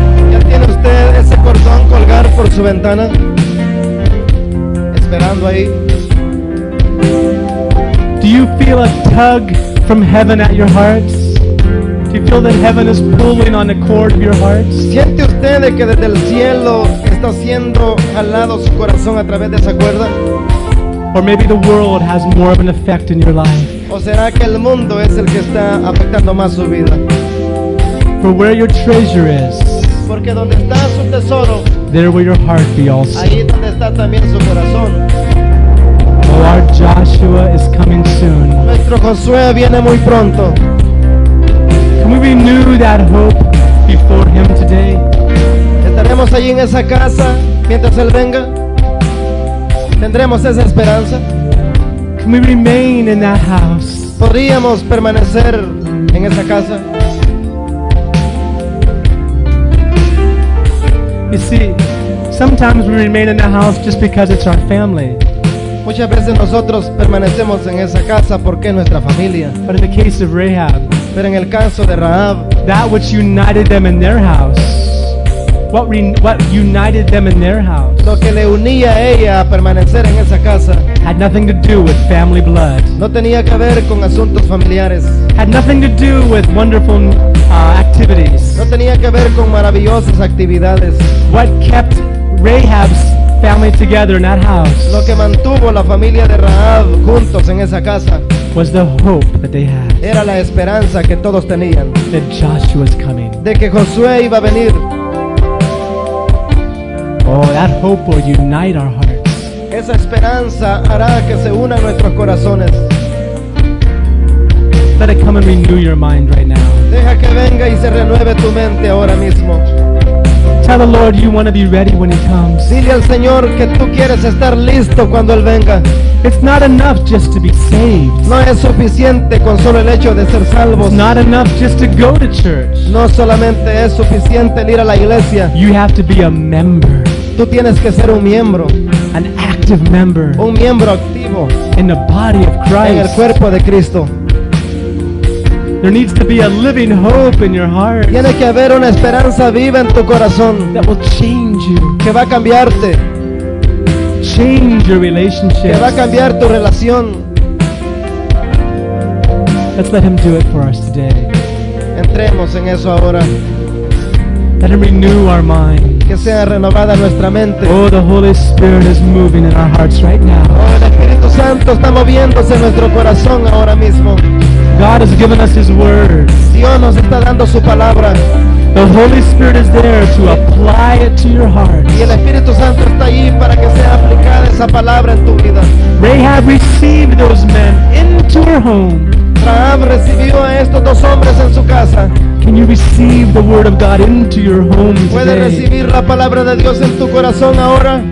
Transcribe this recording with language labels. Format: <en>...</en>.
<es>¿Ya tiene usted ese cordón colgar por su ventana? Esperando ahí.</es> <en>Do you feel a tug from heaven at your hearts? Do you feel that heaven is pulling on the cord of your hearts?</en> <es>¿Siente usted de que desde el cielo está siendo jalado su corazón a través de esa cuerda?</es> <en>Or maybe the world has more of an effect in your life.</en> <es>¿O será que el mundo es el que está afectando más su vida?</es> <en>For where your treasure is,</en> <es>porque donde está su tesoro,</es> <en>there will your heart be also.</en> <es>Ahí donde está también su corazón.</es> <en>The Lord Joshua is coming soon.</en> <es>Nuestro Josué viene muy pronto.</es> <en>Can we renew that hope before him today?</en> <es>¿Estaremos allí en esa casa mientras él venga? ¿Tendremos esa esperanza?</es> <en>Can we remain in that house?</en> <es>¿Podríamos permanecer en esa casa?</es> <en>You see, sometimes we remain in the house just because it's our family.</en> <es>Muchas veces nosotros permanecemos en esa casa porque es nuestra familia.</es> <en>But in the case of Rahab,</en> <es>pero en el caso de Rahab,</es> <en>that which united them in their house, what united them in their house,</en> <es>lo que le unía a ella a permanecer en esa casa,</es> <en>had nothing to do with family blood.</en> <es>No tenía que ver con asuntos familiares.</es> <en>Had nothing to do with wonderful activities.</en> <es>No tenía que ver con maravillosas actividades.</es> <en>What kept Rahab's family together in that house,</en> <es>lo que mantuvo la familia de Rahab juntos en esa casa,</es> <en>was the hope that they had.</en> <es>Era la esperanza que todos tenían.</es> <en>That Joshua's coming.</en> <es>De que Josué iba a venir.</es> <en>Oh, that hope will unite our hearts.</en> <es>Esa esperanza hará que se unan nuestros corazones.</es> <en>Let it come and renew your mind right now.</en> <es>Deja que venga y se renueve tu mente ahora mismo.</es> <en>Tell the Lord you want to be ready when He comes.</en> <es>Dile al Señor que tú quieres estar listo cuando Él venga.</es> <en>It's not enough just to be saved.</en> <es>No es suficiente con solo el hecho de ser salvos.</es> <en>It's not enough just to go to church.</en> <es>No solamente es suficiente ir a la iglesia.</es> <en>You have to be a member.</en> <es>Tú tienes que ser un miembro.</es> <en>An active member.</en> <es>Un miembro activo.</es> <en>In the body of Christ.</en> <es>En el cuerpo de Cristo.</es> <en>There needs to be a living hope in your heart.</en> <es>Tiene que haber una esperanza viva en tu corazón.</es> <en>That will change you.</en> <es>Que va a cambiarte.</es> <en>Change your relationship.</en> <es>Que va a cambiar tu relación.</es> <en>Let's let Him do it for us today.</en> <es>Entremos en eso ahora.</es> <en>Let Him renew our mind.</en> <es>Que sea renovada nuestra mente.</es> <en>Oh, the Holy Spirit is moving in our hearts right now.</en> <es>Oh, el Espíritu Santo está moviéndose en nuestro corazón ahora mismo.</es> <en>God has given us His word.</en> <es>Dios nos está dando su palabra.</es> <en>The Holy Spirit is there to apply it to your heart.</en> <es>Y el Espíritu Santo está ahí para que sea aplicada esa palabra en tu vida.</es> <en>Rahab received those men into her home.</en> <es>Rahab recibió a estos dos hombres en su casa.</es> <en>Can you receive the word of God into your home today?</en> <es>¿Puedes recibir la palabra de Dios en tu corazón ahora?</es>